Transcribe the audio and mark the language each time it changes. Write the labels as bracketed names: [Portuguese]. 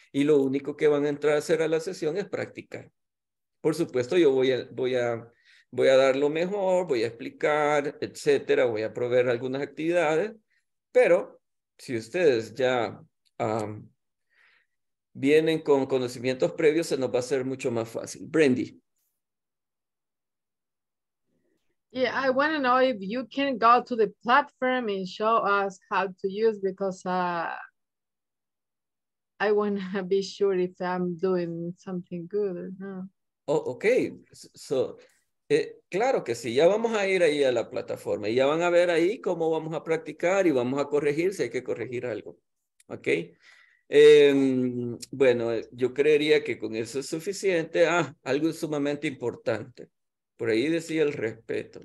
[Spanish] Y lo único que van a entrar a hacer a la sesión es practicar. Por supuesto, yo voy a dar lo mejor, voy a explicar, etcétera, voy a proveer algunas actividades, pero si ustedes ya vienen con conocimientos previos, se nos va a hacer mucho más fácil. Brandy. [English] Yeah, I want to know if you can go to the platform and show us how to use, because I want to be sure if I'm doing something good or not. Oh, okay. [Spanish] So, claro que sí. Ya vamos a ir ahí a la plataforma y ya van a ver ahí cómo vamos a practicar y vamos a corregir si hay que corregir algo. Okay. Bueno, yo creería que con eso es suficiente. Ah, algo sumamente importante. Por ahí decía el respeto.